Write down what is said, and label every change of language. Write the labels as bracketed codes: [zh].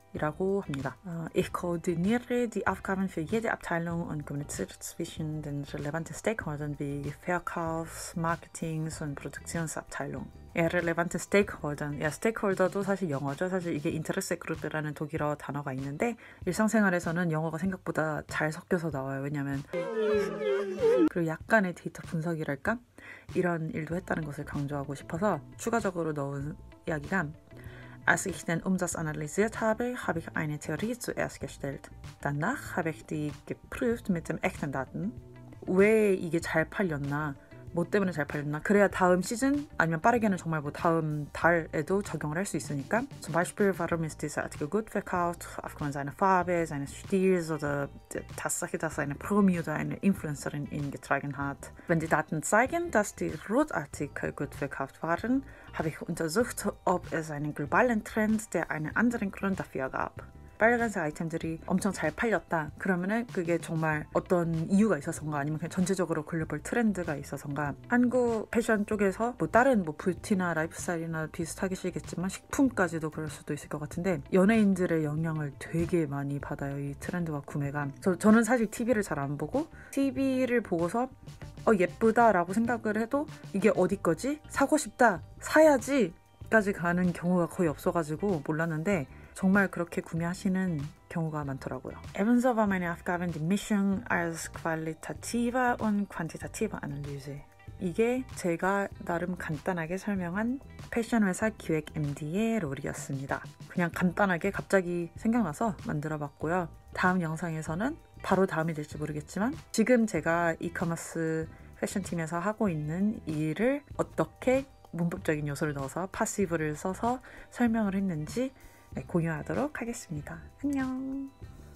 [ko] 이라고 합니다. [de] Ich koordiniere die Aufgaben für jede Abteilung und kommuniziere zwischen den relevanten Stakeholdern wie Verkaufs-, Marketings- und Produktionsabteilung. Relevante Stakeholdern. [ko] Ja, Stakeholder도 사실 영어죠. 사실 이게 Interest Group이라는 독일어 단어가 있는데 일상생활에서는 영어가 생각보다 잘 섞여서 나와요. 왜냐면 그리고 약간의 데이터 분석이랄까? 이런 일도 했다는 것을 강조하고 싶어서 추가적으로 넣은 이야기가 [de] Als ich den Umsatz analysiert habe, habe ich eine Theorie zuerst gestellt. Danach habe ich die geprüft mit den echten Daten. [ko] 왜 이게 잘 팔렸나? 뭐 때문에 잘 팔렸나? 그래야 다음 시즌 아니면 빠르게는 정말 뭐 다음 달에도 적용을 할 수 있으니까. [de] Zum Beispiel, warum ist dieser Artikel gut verkauft? Aufgrund seiner Farbe, seines Stils oder der Tatsache, dass eine Promi oder eine Influencerin ihn getragen hat. Wenn die Daten zeigen, dass die Rotartikel gut verkauft waren, habe ich untersucht, ob es einen globalen Trend, der einen anderen Grund dafür gab. [ko] 빨간색 아이템들이 엄청 잘 팔렸다. 그러면은 그게 정말 어떤 이유가 있어서인가 아니면 그냥 전체적으로 글로벌 트렌드가 있어서인가. 한국 패션 쪽에서 뭐 다른 뭐 뷰티나 라이프스타일이나 비슷하겠지만 식품까지도 그럴 수도 있을 것 같은데 연예인들의 영향을 되게 많이 받아요. 이 트렌드와 구매가. 저는 사실 TV를 잘 안 보고 TV를 보고서 예쁘다라고 생각을 해도 이게 어디 거지? 사고 싶다! 사야지! 까지 가는 경우가 거의 없어가지고 몰랐는데 정말 그렇게 구매하시는 경우가 많더라고요. [de] Ebenso war meine Aufgabe die Mischung als qualitative und quantitative Analyse. [ko] 이게 제가 나름 간단하게 설명한 패션 회사 기획 MD의 롤이었습니다. 그냥 간단하게 갑자기 생각나서 만들어봤고요. 다음 영상에서는 바로 다음이 될지 모르겠지만 지금 제가 이커머스 패션팀에서 하고 있는 일을 어떻게 문법적인 요소를 넣어서 passive를 써서 설명을 했는지 공유하도록 하겠습니다. 안녕!